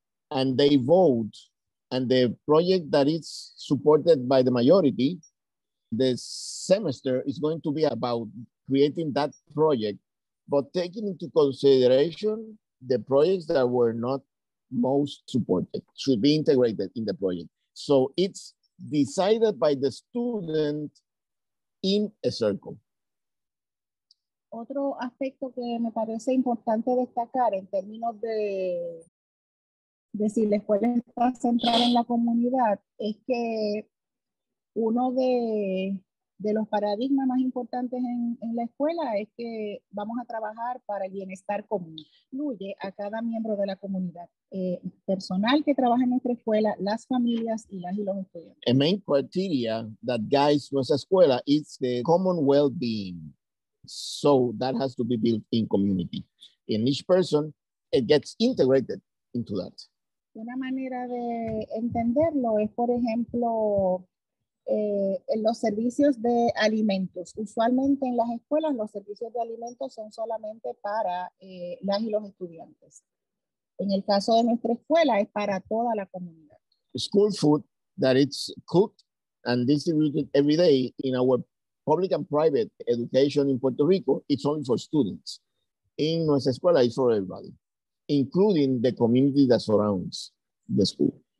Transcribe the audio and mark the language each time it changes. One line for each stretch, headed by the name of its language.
English: And they vote. And the project that is supported by the majority, the semester is going to be about creating that project, but taking into consideration the projects that were not most supported should be integrated in the project. So it's decided by the student in a circle.
Spanish: Otro aspecto que me parece importante destacar en términos de si la escuela está centrada en la comunidad es que uno de los paradigmas más importantes en la escuela es que vamos a trabajar para el bienestar común. Incluye a cada miembro de la comunidad. Personal que trabaja en nuestra escuela, las familias y las y los estudiantes.
English: A main criteria that guides nuestra escuela is the common well-being. So that has to be built in community. In each person, it gets integrated into that.
Spanish: Una manera de entenderlo es, por ejemplo, en los servicios de alimentos. Usualmente en las escuelas los servicios de alimentos son solamente para las y los estudiantes. En el caso de nuestra escuela es para toda la comunidad.
English: School food that it's cooked and distributed every day in our public and private education in Puerto Rico, it's only for students. In nuestra escuela it's for everybody, including the community that surrounds the school.